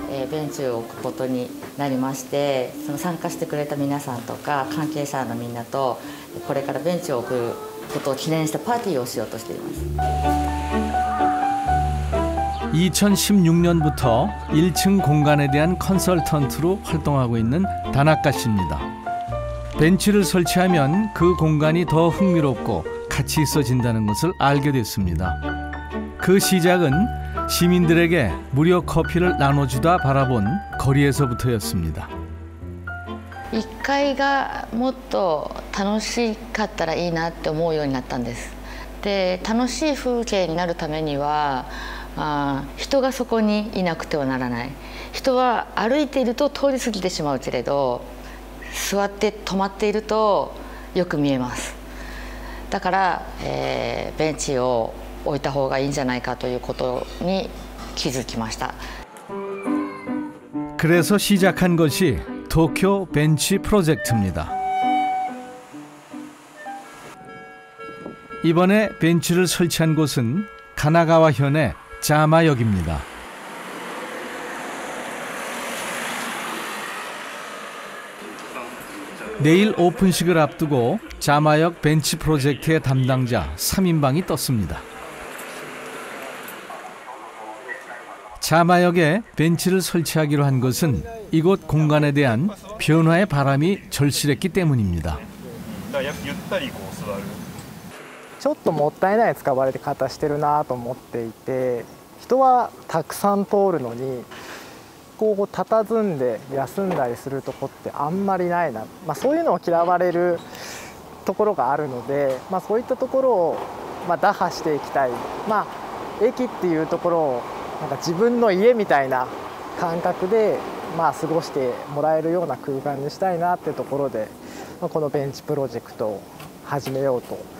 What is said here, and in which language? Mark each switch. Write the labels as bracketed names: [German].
[Japanese] ベンチを置くことになりまして、その参加してくれた皆さんとか関係者のみんなとこれからベンチを置くことを記念したパーティーをしようとしています。 [Korean] 2016년부터 1층 공간에 대한 컨설턴트로 활동하고 있는 다나카 씨입니다. 벤치를 설치하면 그 공간이 더 흥미롭고 가치 있어진다는 것을 알게 됐습니다. 그 시작은 시민들에게 무료 커피를 나눠주다 바라본 거리에서부터였습니다. [Japanese] 1階가 もっと楽しかったらいいなって思うようになったんです. 근데 楽しい 風景になるためには 人がそこにいなくてはならない。人は歩いていると通り過ぎてしまうけれど、座って止まっているとよく見えます。だから、ベンチを置いた方がいいんじゃないかということに気づきました。 [Korean] 그래서시작한것이도쿄벤치프로젝트입니다。 이번에벤치를설치한곳은가나가와현의 자마역입니다. 내일 오픈식을 앞두고 자마역 벤치 프로젝트의 담당자 3인방이 떴습니다. 자마역에 벤치를 설치하기로 한 것은 이곳 공간에 대한 변화의 바람이 절실했기 때문입니다. [Japanese] ちょっともったいない使われ方してるなと思っていて 人はたくさん通るのにこう佇んで休んだりするとこってあんまりないな、まあそういうのを嫌われるところがあるので、まあそういったところをまあ打破していきたい、まあ駅っていうところをなんか自分の家みたいな感覚でまあ過ごしてもらえるような空間にしたいなってところでこのベンチプロジェクトを始めようと。